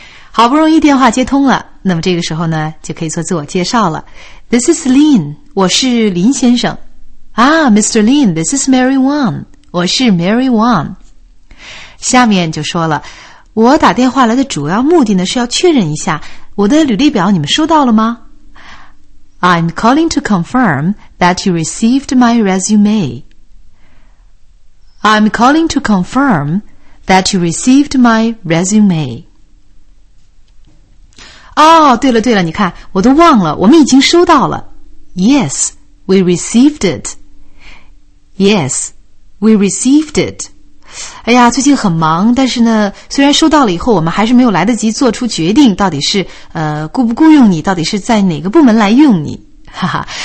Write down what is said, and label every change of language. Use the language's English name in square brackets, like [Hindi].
[Chinese] 好不容易电话接通了，那么这个时候呢，就可以做自我介绍了。 [English] This is Lin, [Chinese] 我是林先生。 [English] Ah, Mr. Lin, this is Mary Wong, 我是 Mary Wong。 [Chinese] 下面就说了，我打电话来的主要目的呢，是要确认一下，我的履历表你们收到了吗？ [English] I'm calling to confirm that you received my resume. I'm calling to confirm that you received my resume. [Chinese] 哦，对了对了，你看我都忘了，我们已经收到了。 [English] Yes, we received it. Yes, we received it. [Chinese] 哎呀，最近很忙，但是呢，虽然收到了以后，我们还是没有来得及做出决定，到底是雇不雇用你，到底是在哪个部门来用你，哈哈。